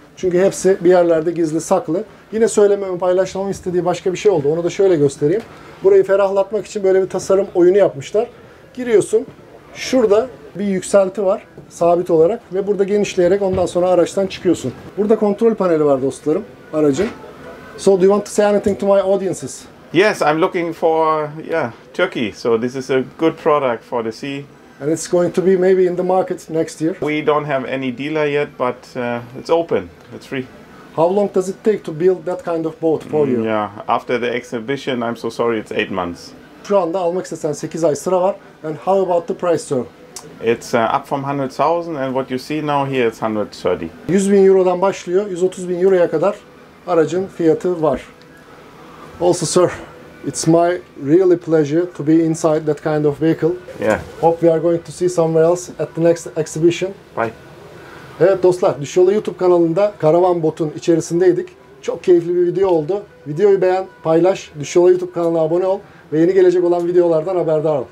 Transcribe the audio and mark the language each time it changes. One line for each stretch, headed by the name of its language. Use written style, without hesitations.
Turkish: Çünkü hepsi bir yerlerde gizli saklı. Yine söylememi paylaşmamı istediği başka bir şey oldu. Onu da şöyle göstereyim. Burayı ferahlatmak için böyle bir tasarım oyunu yapmışlar. Giriyorsun. Şurada bir yükselti var sabit olarak ve burada genişleyerek ondan sonra araçtan çıkıyorsun. Burada kontrol paneli var dostlarım aracın.
English: So do you want to say anything to my audiences? Yes, I'm looking for Turkey. So this is a good product for the sea. And it's going to be maybe in the market next year. We don't have any dealer yet, but it's open. It's free. How long does it take to build that kind of boat for you? Yeah, after the exhibition, I'm so sorry, it's 8 months.
Turkish: Şu anda almak istesen 8 ay sıra var.
English: And how about the price, sir? It's up from 100,000 and what you see now here is 130.
Turkish: 100 bin eurodan başlıyor, 130 bin euroya kadar. Aracın fiyatı var.
English: Also sir, it's my really pleasure to be inside that kind of vehicle. Yeah. Hope we are going to see somewhere else at the next exhibition. Bye.
Turkish: Evet dostlar, Düş Yolu YouTube kanalında karavan botun içerisindeydik. Çok keyifli bir video oldu. Videoyu beğen, paylaş, Düş Yolu YouTube kanalına abone ol ve yeni gelecek olan videolardan haberdar ol.